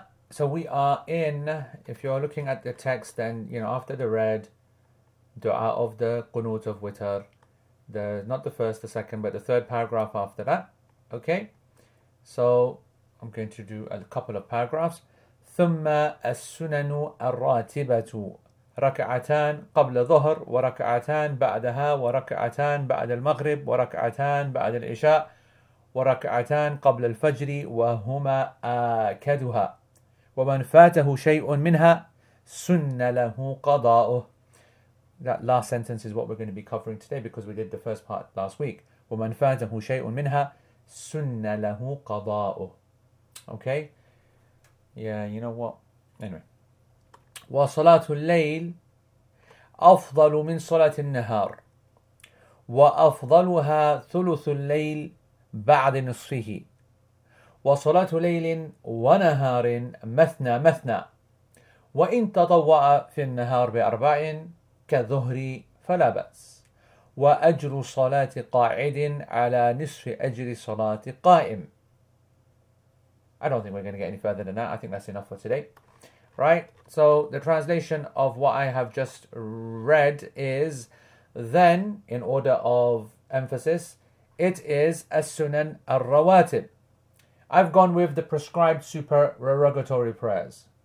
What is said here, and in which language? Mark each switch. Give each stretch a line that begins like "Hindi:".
English: So we are in, if you're looking at the text, then, after the red, du'a of the Qunut of Witr, the third paragraph after that. Okay? So I'm going to do a couple of paragraphs.
Arabic: ثُمَّ السُنَنُ الرَّاتِبَةُ ركعتان قبل ظهر وركعتان بعدها وركعتان بعد المغرب وركعتان بعد العشاء وركعتان قبل الفجر وهما آكدها ومن فاته شيء منها سن له قضاؤه.
English: That last sentence is what we're going to be covering today because we did the first part last week.
Arabic: وَمَنْ فَاتَهُ شَيْءٌ مِنْهَا سُنَّ لَهُ قَضَاءُهُ.
English: Okay? Yeah, you know what? Anyway.
Arabic: وَصَلَاتُ اللَّيْلِ أَفْضَلُ مِنْ صَلَاتِ النَّهَارِ وَأَفْضَلُهَا ثُلُثُ اللَّيْلِ بَعْدِ نِصْفِهِ وَصَلَاتُ لَيْلٍ وَنَهَارٍ مَثْنَى مَثْنَى وَإِنْ تَطَوَّعَ فِي النَّهَارِ بِأَرْبَعٍ كظهر فلا بأس وأجر صلاة قاعد على نصف أجر صلاة قائم.
English: I don't think we're going to get any further than that. I think that's enough for today. Right? So the translation of what I have just read is then, in order of emphasis, it is As-Sunan Ar-Rawatib. I've gone with the prescribed supererogatory prayers.